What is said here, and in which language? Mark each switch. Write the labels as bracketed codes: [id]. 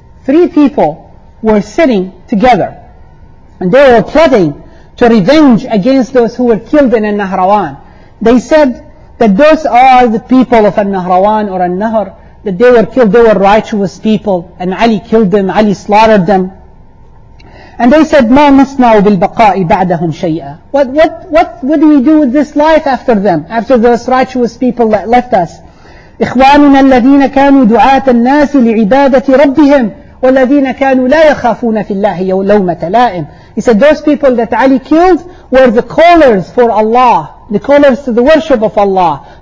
[en] Three people were sitting together, and they were plotting to revenge against those who were killed in Al-Nahrawan. They said that those are the people of Al-Nahrawan or Al-Nahr, that they were killed, they were righteous people, and Ali killed them, Ali slaughtered them. And they said, [ar] مَا نَصْنَعُ بِالْبَقَاءِ بَعْدَهُمْ شَيْئًا. [en] What do we do with this life after them, after those righteous people that left us? [ar] إِخْوَانُنَا الَّذِينَ كَانُوا دُعَاةَ النَّاسِ لِعِبَادَةِ رَبِّهِمْ وَالَّذِينَ كَانُوا لَا يَخَافُونَ فِي اللَّهِ لَوْمَةَ لَائِمٍ. [en] He said, those people that Ali killed were the callers for Allah, the callers to the worship of Allah.